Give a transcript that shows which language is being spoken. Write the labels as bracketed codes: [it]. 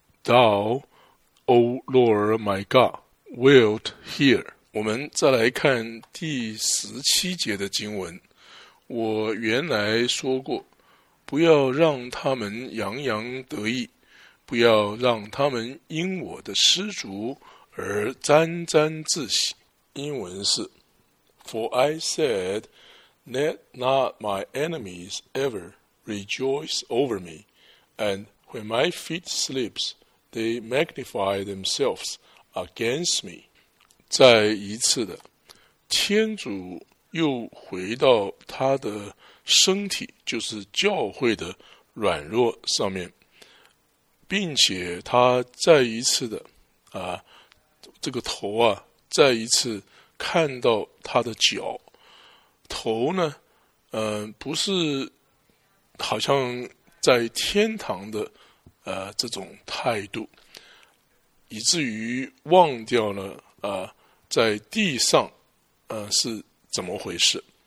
[en] Thou, O Lord, my God, wilt hear. [zh] 我们再来看第17节的经文。我原来说过，不要让他们洋洋得意，不要让他们因我的失足而沾沾自喜。英文是 [en] For I said, let not my enemies ever rejoice over me, and when my feet slips, they magnify themselves against me. [zh] 再一次的，天主又回到他的身体，就是教会的软弱上面，并且他再一次的啊，这个头啊，再一次看到他的脚，头呢，不是好像在天堂的这种态度，以至于忘掉了在地上是怎么回事。